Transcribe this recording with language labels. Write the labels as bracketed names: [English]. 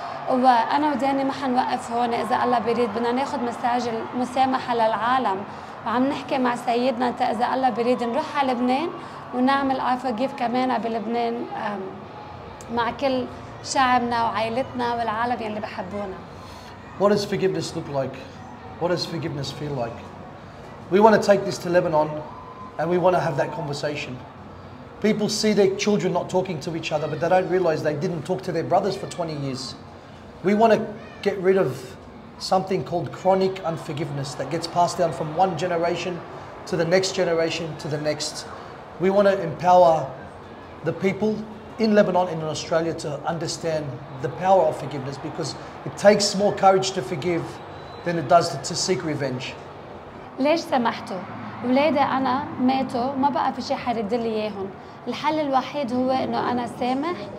[Arabic] وأنا وداني ما حنوقف هون، إذا الله بيريد بدنا ناخذ مساج المسامحة للعالم، وعم نحكي مع سيدنا إذا الله بيريد نروح على لبنان ونعمل I Forgive كمان بلبنان مع كل شعبنا وعائلتنا والعالم يلي بحبونا. [English] What does forgiveness look like? What does forgiveness feel like? We want to take this to Lebanon and we want to have that conversation. People see their children not talking to each other, but they don't realize they didn't talk to their brothers for 20 years. We want to get rid of something called chronic unforgiveness that gets passed down from one generation to the next generation to the next. We want to empower the people in Lebanon and in Australia to understand the power of forgiveness, because it takes more courage to forgive than it does to seek revenge. [Arabic] ليش سمحتوا؟ ولادي أنا ماتوا، ما بقى في شيء حرد لي إياهم. الحل الوحيد هو إنه أنا سامح